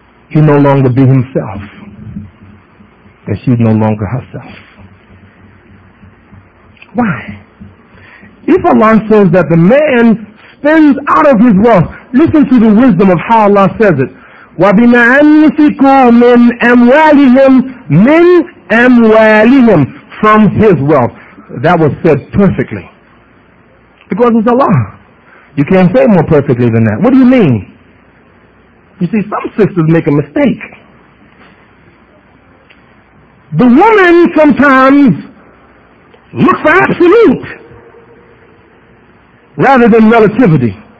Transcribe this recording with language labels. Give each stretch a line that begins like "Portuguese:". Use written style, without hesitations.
English: He no longer be himself. And she's no longer herself. Why? If Allah says that the man spends out of his wealth, listen to the wisdom of how Allah says it.
Arabic: وَبِمَا أَنْفِكُوا مِنْ أَمْوَالِهِمْ مِنْ أَمْوَالِهِمْ
English: from his wealth. That was said perfectly. Because it's Allah. You can't say more perfectly than that. What do you mean? You see, some sisters make a mistake. The woman sometimes looks for absolute rather than relativity.